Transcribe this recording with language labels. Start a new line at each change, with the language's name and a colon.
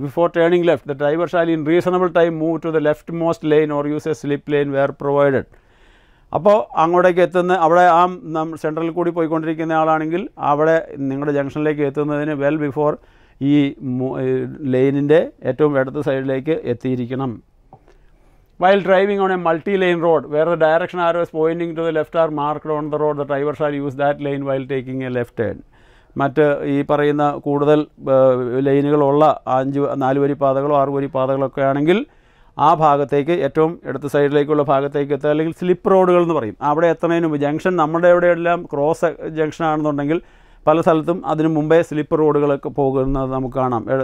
English: Before turning left the driver shall in reasonable time move to the left most lane or use a slip lane where provided.
Malayalam: അപ്പോൾ അങ്ങോട്ടേക്ക് എത്തുന്ന അവിടെ ആ സെൻട്രലിൽ കൂടി പോയിക്കൊണ്ടിരിക്കുന്ന ആളാണെങ്കിൽ അവിടെ നിങ്ങളുടെ ജംഗ്ഷനിലേക്ക് എത്തുന്നതിന്
English: well before
Malayalam: ഈ ലെയിനിൻ്റെ ഏറ്റവും ഇടത്ത് സൈഡിലേക്ക് എത്തിയിരിക്കണം.
English: While driving on a multi-lane road, where the direction arrow is pointing to the left are marked on the road, the driver shall use that lane while taking a left turn.
Malayalam: മറ്റ് ഈ പറയുന്ന കൂടുതൽ ലൈനുകളുള്ള അഞ്ച് നാല് വരി പാതകളോ ആറ് വരി പാതകളൊക്കെ ആണെങ്കിൽ ആ ഭാഗത്തേക്ക് ഏറ്റവും ഇടത്ത് സൈഡിലേക്കുള്ള ഭാഗത്തേക്ക് എത്തുക, അല്ലെങ്കിൽ സ്ലിപ്പ് റോഡുകൾ എന്ന് പറയും. അവിടെ എത്തുന്നതിന് മുമ്പ് ജംഗ്ഷൻ നമ്മുടെ ഇവിടെയെല്ലാം ക്രോസ് ജംഗ്ഷൻ ആണെന്നുണ്ടെങ്കിൽ പല സ്ഥലത്തും അതിന് മുമ്പേ സ്ലിപ്പ് റോഡുകളൊക്കെ പോകുന്നത് നമുക്ക് കാണാം.